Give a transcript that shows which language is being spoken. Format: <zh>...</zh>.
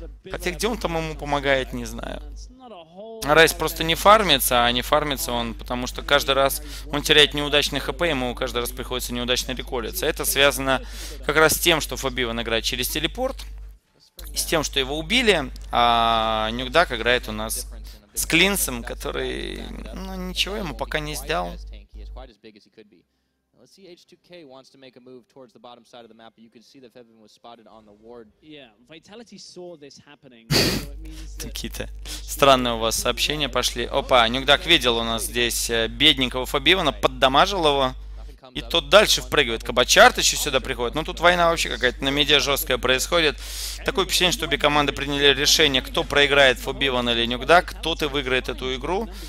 <ru>Хотя где он там ему помогает, не знаю. Райз просто не фармится, а не фармится он, потому что каждый раз он теряет неудачный хп, ему каждый раз приходится неудачно реколиться. Это связано как раз с тем, что Фобиван играет через телепорт, с тем, что его убили, а Нюкдак играет у нас с Клинсом, который, ну, ничего ему пока не сдал.</ru> <en>H2K wants to make a move towards the bottom side of the map. You can see that Fabian was spotted on the ward. Yeah, Vitality saw this happening.</en> <ru>Какие-то странные у вас сообщения пошли. Опа, Нюкдак видел у нас здесь бедненького Фобивана, поддамажил его. И тот дальше впрыгивает. Кабачарт еще сюда приходит. Ну, тут война вообще какая-то на меде жесткая происходит. Такое впечатление, что обе команды приняли решение, кто проиграет, Фобиван или Нюкдак, тот и выиграет эту игру.</ru>